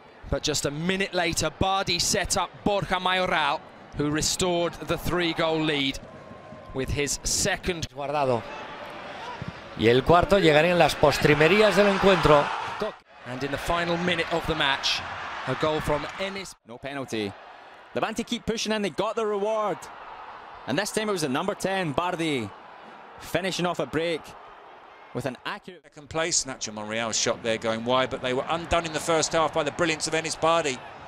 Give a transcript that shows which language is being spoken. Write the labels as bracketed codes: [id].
[en] But just a minute later, Bardhi set up Borja Mayoral, who restored the three-goal lead with his second. [es] Guardado. Y el cuarto llegaría en las postrimerías del encuentro. [en] And in the final minute of the match, a goal from Enis. No penalty. Levante keep pushing and they got the reward. And this time it was the number 10, Bardhi, finishing off a break with an accurate second place. Nacho Monreal's shot there going wide, but they were undone in the first half by the brilliance of Enis Bardhi.